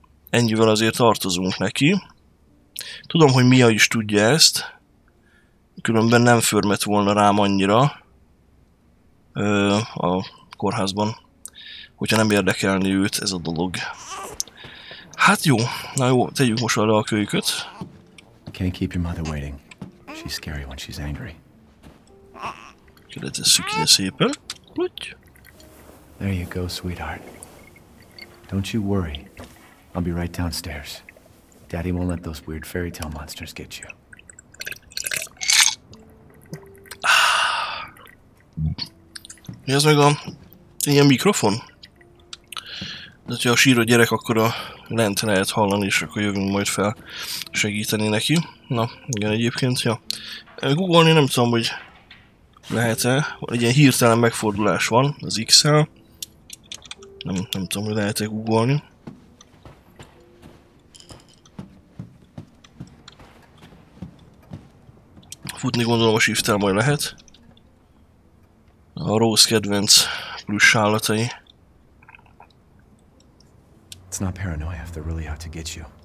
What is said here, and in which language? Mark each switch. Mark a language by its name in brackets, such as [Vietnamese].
[Hungarian] Ennyivel azért tartozunk neki. Tudom, hogy Mia is tudja ezt, különben nem förmett volna rám annyira a kórházban, hogyha nem érdekelni őt ez a dolog. Hát jó, na jó, tegyük most arra a kölyköt. [English] Can't keep your mother waiting. She's scary when she's angry. [Hungarian] Kérdezzük ide szépen. Plutty. [English] There you go, sweetheart. Don't you worry. I'll be right downstairs. Daddy won't let those weird fairy tale monsters get you. [Hungarian] Mi az meg a... ilyen mikrofon? De ha sír a gyerek, akkor a lent lehet hallani, és akkor jövünk majd fel segíteni neki. Na, igen, egyébként, ja. Googolni nem tudom, hogy lehet-e. Egy ilyen hirtelen megfordulás van az X-el. Nem tudom, hogy lehet-e googolni. Futni gondolom a shift-el majd lehet. A Rose kedvenc plusz állatai. [English] It's not paranoia if they're really out to get you.